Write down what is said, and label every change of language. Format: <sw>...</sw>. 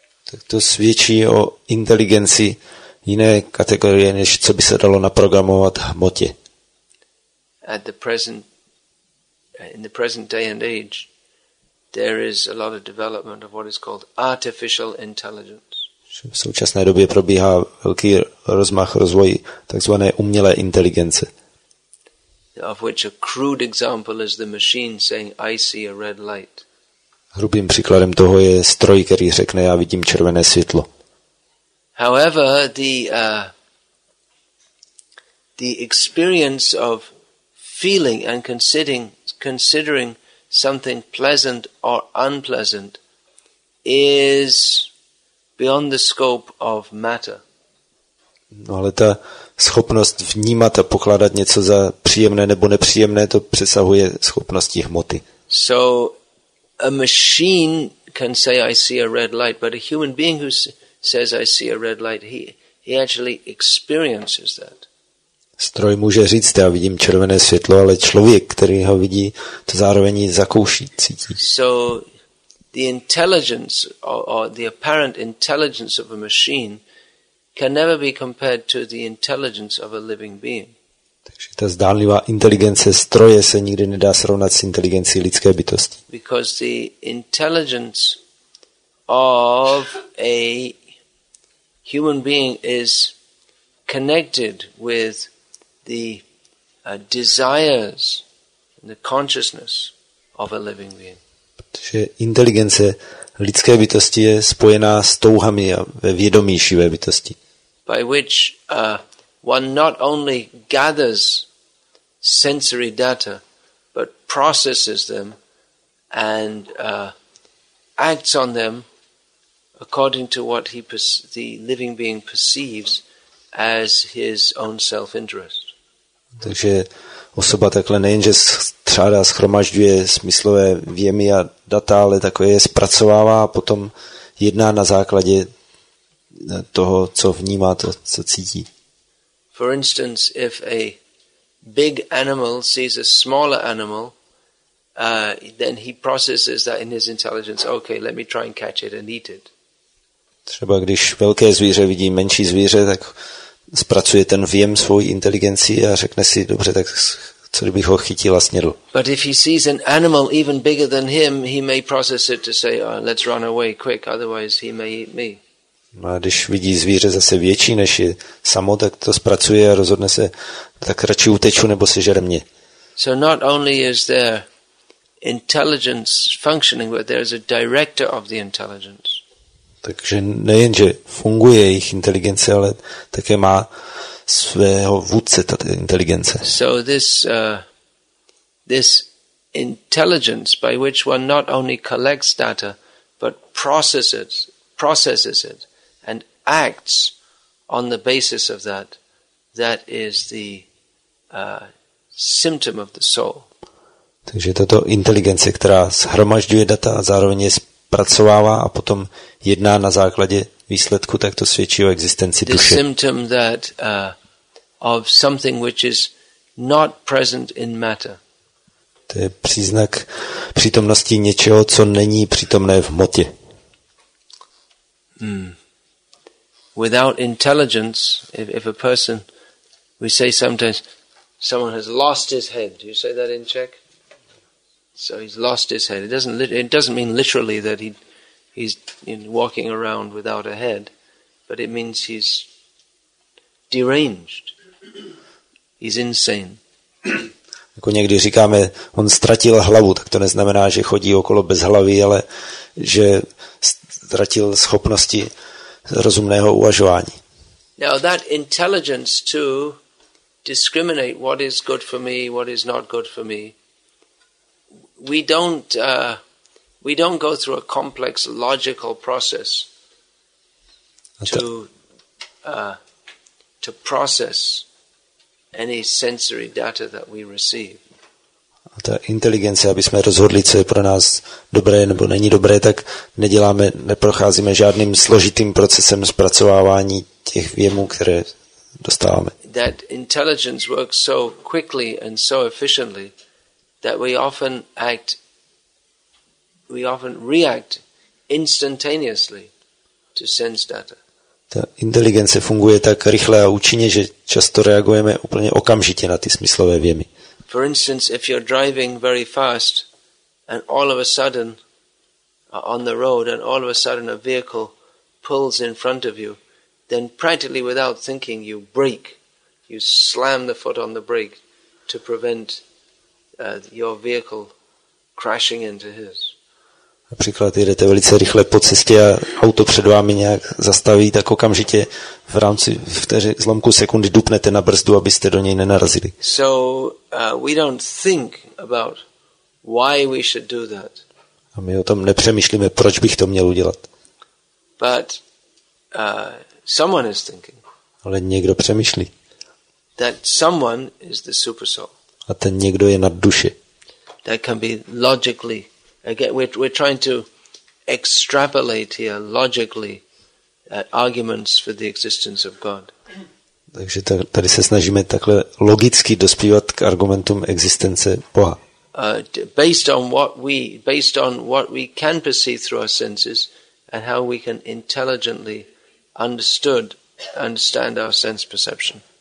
<cs>Tak to svědčí o inteligenci jiné kategorie, než co by se dalo naprogramovat hmotě.</cs> <en>In the present day and age, there is a lot of development of what is called artificial intelligence.</en> <cs>V současné době probíhá velký rozmach rozvoj takzvané umělé inteligence.</cs> <en>Of which a crude example is the machine saying, "I see a red light."</en> <cs>Hrubým příkladem toho je stroj, který řekne, já vidím červené světlo.</cs> <en>However, the experience of feeling and considering something pleasant or unpleasant is beyond the scope of matter.</en> <cs>No, ale ta schopnost vnímat a pokládat něco za příjemné nebo nepříjemné, to přesahuje schopnosti hmoty.</cs> <en>So a machine can say I see a red light, but a human being who says I see a red light, he actually experiences that.</en> <cs>Stroj může říct, já vidím červené světlo, ale člověk, který ho vidí, to zároveň zakouší, cítí.</cs> <en>So the intelligence or the apparent intelligence of a machine can never be compared to the intelligence of a living being.</en> <cs>Takže ta zdánlivá inteligence stroje se nikdy nedá srovnat s inteligencí lidské bytosti.</cs> <en>Because the intelligence of a human being is connected with the desires and the consciousness of a living being.</en> <cs>Protože inteligence lidské bytosti je spojená s touhami a ve vědomí živé bytosti.</cs> <en>By which one not only gathers sensory data, but processes them and acts on them according to what the living being perceives as his own self-interest.</en> <cs>Takže osoba takhle nejenže střádá, schromažďuje smyslové vjemy a data, ale takové je zpracovává a potom jedná na základě toho, co vnímá, to, co cítí.</cs> <en>For instance, if a big animal sees a smaller animal, then he processes that in his intelligence. Okay, let me try and catch it and eat it.</en> <cs>Třeba když velké zvíře vidí menší zvíře, tak zpracuje ten vjem svou inteligenci a řekne si, dobře, tak co kdybych ho chytil a snědl.</cs> <en>But if he sees an animal even bigger than him, he may process it to say, oh, let's run away quick, otherwise he may eat me.</en> <cs>No a když vidí zvíře zase větší než je samo, tak to zpracuje a rozhodne se, tak radši uteču nebo sežere mě.</cs> <en>So not only is there intelligence functioning, but there is a director of the intelligence.</en> <cs>Takže nejen, že funguje jejich inteligence, ale také má svého vůdce ta inteligence.</cs> <en>So this intelligence by which one not only collects data, but processes it. And acts on the basis of that is the symptom of the soul.</en> <cs>Takže tato inteligence, která shromažďuje data a zároveň je zpracovává a potom jedná na základě výsledku, tak to svědčí o existenci</cs> <en>the</en> <cs>duše.</cs> <en>Symptom that of something which is not present in matter.</en> <cs>To je příznak přítomnosti něčeho, co není přítomné v hmotě.</cs> <en>Without intelligence, if a person, we say sometimes, someone has lost his head. Do you say that in Czech? So he's lost his head. It doesn't mean literally that he's walking around without a head, but it means he's deranged. He's insane.</en> <cs>Jako někdy říkáme, on ztratil hlavu, tak to neznamená, že chodí okolo bez hlavy, ale že ztratil schopnosti rozumného uvažování.</cs> <en>Now that intelligence to discriminate what is good for me, what is not good for me. We don't go through a complex logical process to process any sensory data that we receive.</en> <cs>A ta inteligence, aby jsme rozhodli, co je pro nás dobré nebo není dobré, tak neprocházíme žádným složitým procesem zpracovávání těch věmů, které dostáváme.</cs> <en>That intelligence works so quickly and so efficiently that we often react instantaneously to sense data.</en> <cs>Ta inteligence funguje tak rychle a účinně, že často reagujeme úplně okamžitě na ty smyslové věmy.</cs> <en>For instance, if you're driving very fast and all of a sudden on the road and all of a sudden a vehicle pulls in front of you, then practically without thinking you brake, you slam the foot on the brake to prevent your vehicle crashing into his.</en> <cs>Například jedete velice rychle po cestě a auto před vámi nějak zastaví, tak okamžitě v rámci zlomku sekundy dupnete na brzdu, abyste do něj nenarazili.</cs> <en>So we don't think about why we should do that.</en> <cs>A my o tom nepřemýšlíme, proč bych to měl udělat.</cs> <en>But someone is thinking.</en> <cs>Ale někdo přemýšlí.</cs> <en>That someone is the super soul.</en> <cs>A ten někdo je nad duše.</cs> <en>That can be logically. Again, we're trying to extrapolate here logically arguments for the existence of God.</en> <cs>Takže tady se snažíme takhle logicky dospívat k argumentům existence Boha.</cs> <en>Based on what we can perceive through our senses and how we can intelligently understand our sense perception.</en>